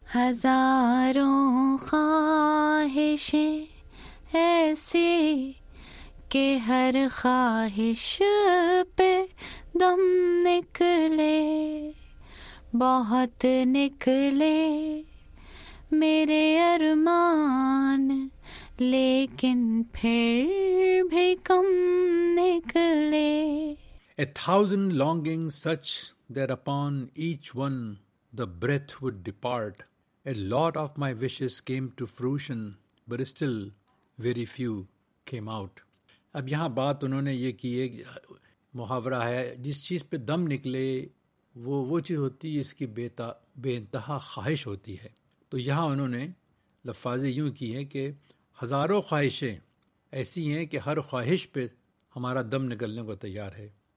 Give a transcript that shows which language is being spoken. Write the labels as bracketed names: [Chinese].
[Urdu] ہزاروں خواہشیں ایسی کہ ہر خواہش پہ دم نکلے, بہت نکلے میرے ارمان لیکن پھر بھی کم نکلے. [English] A thousand longings such that upon each one the breath would depart, a lot of my wishes came to fruition but still very few came out. [Urdu] اب یہاں بات انہوں نے یہ کی, ایک محاورہ ہے, جس چیز پہ دم نکلے وہ چیز ہوتی ہے اس کی بے انتہا خواہش ہوتی ہے. تو یہاں انہوں نے لفاظیں یوں کی ہیں کہ ہزاروں خواہشیں ایسی ہیں کہ ہر خواہش پہ ہمارا دم نکلنے کو تیار ہے.